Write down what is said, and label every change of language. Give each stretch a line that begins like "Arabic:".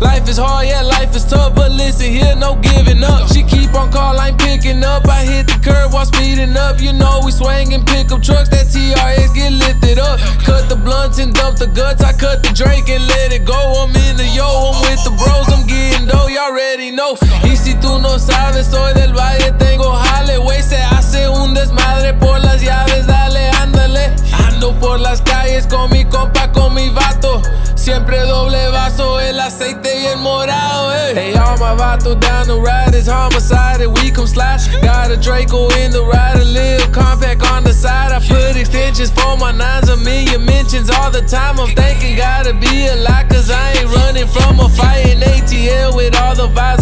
English: Life is hard, yeah, life is tough. But listen here, no giving up. She keep on call, I'm picking up. I hit the curb while speeding up. You know we swangin' pickup trucks. That TRS get lifted up. Cut the blunts and dump the guts. I cut the drink and let it go. I'm in the yo, I'm with the bros. I'm getting dough, y'all already know.
Spanish: Y si tú no sabes, soy del valle, tengo jale.
English: Wasted, I said.
Spanish: Un desmadre por las llaves, dale, ándale. Ando por las calles con mi compa, con mi vato. Siempre doble vaso, el aceite y el morado, eh.
English: Hey, all my vato down the ride is homicide, and we come slash. Got a Draco in the ride, a little compact on the side. I put extensions for my nines, a million mentions all the time. I'm thinking gotta be a lot, cause I ain't running from a fight in ATL with all the vibes.